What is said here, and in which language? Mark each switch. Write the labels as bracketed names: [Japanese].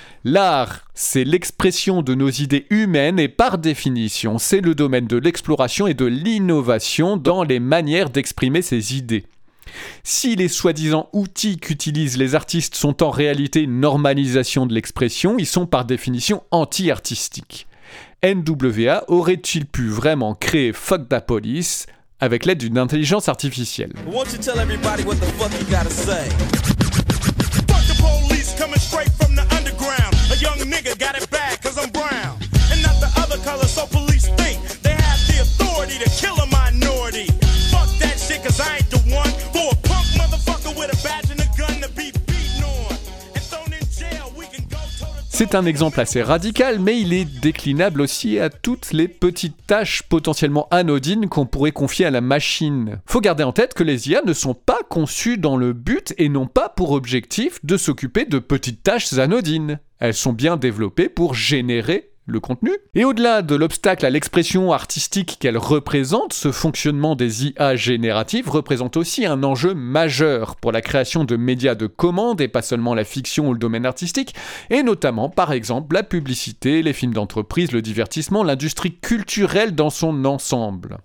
[French] L'art, c'est l'expression de nos idées humaines et par définition, c'est le domaine de l'exploration et de l'innovation dans les manières d'exprimer ces idées. Si les soi-disant outils qu'utilisent les artistes sont en réalité une normalisation de l'expression, ils sont par définition anti-artistiques. NWA aurait-il pu vraiment créer Fuck the Police avec l'aide d'une intelligence artificielle? [English] Won't you tell everybody what the fuck you gotta say? Fuck the police coming straight from the underground. A young nigga got it bad cause I'm brown. And not the other color, so police think they have the authority to kill a minority. Fuck that shit cause I ain't the one. For a punk motherfucker with a badge and a gun to be beaten on. And thrown in jail, we can go to the... [French] C'est un exemple assez radical, mais il est déclinable aussi à toutes les petites tâches potentiellement anodines qu'on pourrait confier à la machine. Faut garder en tête que les IA ne sont pas conçues dans le but et n'ont pas pour objectif de s'occuper de petites tâches anodines. Elles sont bien développées pour générer le contenu. Et au-delà de l'obstacle à l'expression artistique qu'elle représente, ce fonctionnement des IA génératives représente aussi un enjeu majeur pour la création de médias de commande et pas seulement la fiction ou le domaine artistique, et notamment par exemple la publicité, les films d'entreprise, le divertissement, l'industrie culturelle dans son ensemble.